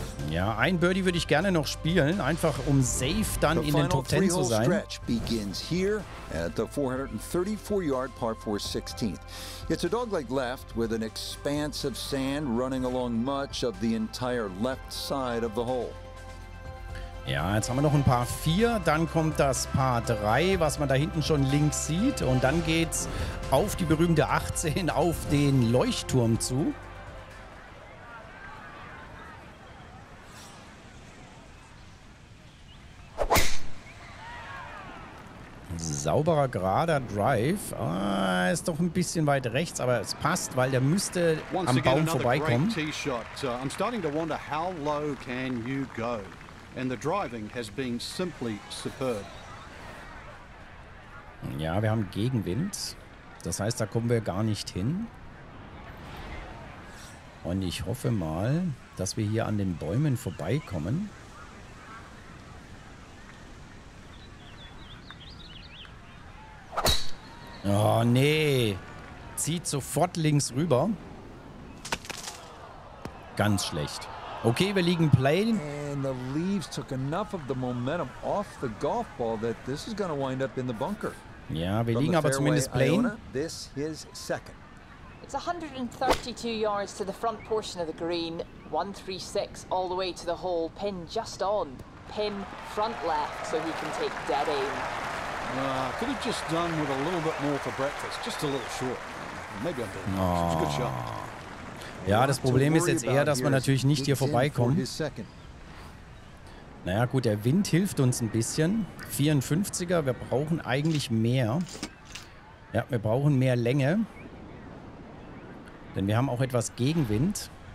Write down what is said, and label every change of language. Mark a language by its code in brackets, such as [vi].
[de] Ja, ein Birdie würde ich gerne noch spielen, einfach um safe dann in den Top 10 zu sein. [en] The stretch begins here at the 434-yard par 4 16th. It's a dogleg left with an expanse of sand running along much of the entire left side of the hole. [de] Ja, jetzt haben wir noch ein paar 4, dann kommt das Paar 3, was man da hinten schon links sieht. Und dann geht's auf die berühmte 18, auf den Leuchtturm zu. Sauberer, gerader Drive. Ah, ist doch ein bisschen weit rechts, aber es passt, weil der müsste am Baum vorbeikommen. [en] I'm starting to wonder, how low can you go? And the driving has been simply superb. [de] Ja, wir haben Gegenwind. Das heißt, da kommen wir gar nicht hin. Und ich hoffe mal, dass wir hier an den Bäumen vorbeikommen. Oh, nee. Zieht sofort links rüber. Ganz schlecht. Okay, wir liegen plain. [en] And the leaves took enough of the momentum off the golf ball that this is going to wind up in the bunker. [de] Ja, wir liegen aber zumindest plain. [en] This is second. It's 132 yards to the front portion of the green, 136 all the way to the hole, pin just on, pin front left, so he can take dead aim. Could have just done with a little bit more for breakfast, just a little short. Maybe I'm doing a good shot. [de] Ja, das Problem ist jetzt eher, dass wir natürlich nicht hier vorbeikommen. Naja, gut, der Wind hilft uns ein bisschen. 54er, wir brauchen eigentlich mehr. Ja, wir brauchen mehr Länge. Denn wir haben auch etwas Gegenwind.